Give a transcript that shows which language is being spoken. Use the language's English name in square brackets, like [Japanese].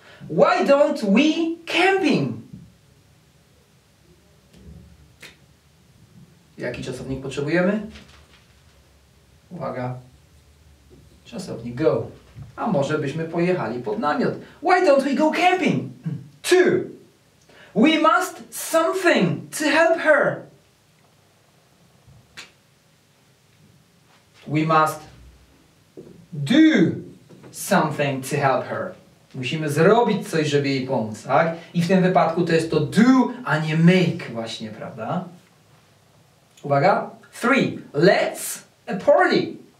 [English] Why don't we camping? [Polish] Jaki czasownik potrzebujemy? Uwaga. Czasownik go. A może byśmy pojechali pod namiot? [English] Why don't we go camping? Two. We must something to help her. We must do something to help her. [Polish] Musimy zrobić coś, żeby jej pomóc, tak? I w tym wypadku to jest to do, a nie make właśnie, prawda? Uwaga. [English] Three. Let's a party.